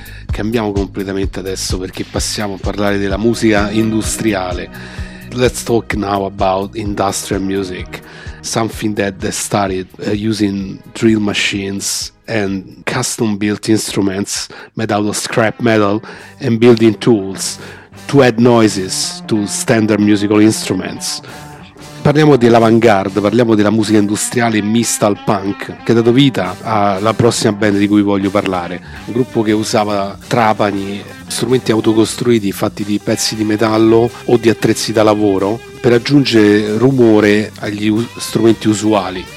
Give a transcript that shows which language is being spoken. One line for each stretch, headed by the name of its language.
Italian: Cambiamo completamente adesso perché passiamo a parlare della musica industriale.
English: Let's talk now about industrial music, something that they started using drill machines and custom built instruments made out of scrap metal and building tools to add noises to standard musical instruments.
Italian: Parliamo dell'avanguardia, parliamo della musica industriale mista al punk, che ha dato vita alla prossima band di cui voglio parlare. Un gruppo che usava trapani, strumenti autocostruiti fatti di pezzi di metallo o di attrezzi da lavoro per aggiungere rumore agli strumenti usuali.